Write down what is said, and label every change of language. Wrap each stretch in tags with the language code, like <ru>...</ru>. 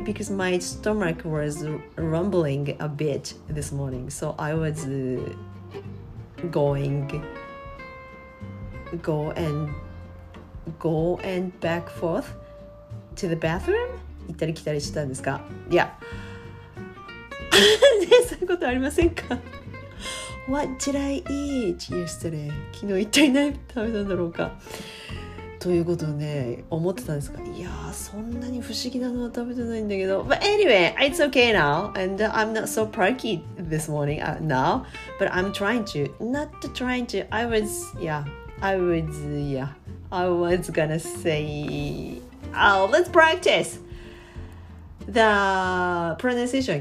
<en>Because my stomach was rumbling a bit this morning. So I was going back forth to the bathroom.</en> <ja>行ったり来たりしたんですか?</ja> <en>Yeah.</en> <ja>そういうことありませんか?</ja> <en>What did I eat yesterday?</en> <ja>昨日一体何食べたんだろうか?ということをね思ってたんですが、いやーそんなに不思議なのは食べてないんだけど。</ja> <en>But anyway, it's okay now, and I'm not so perky this morning now. But I'm trying to, not trying to. I was gonna say, oh, let's practice the pronunciation.</en>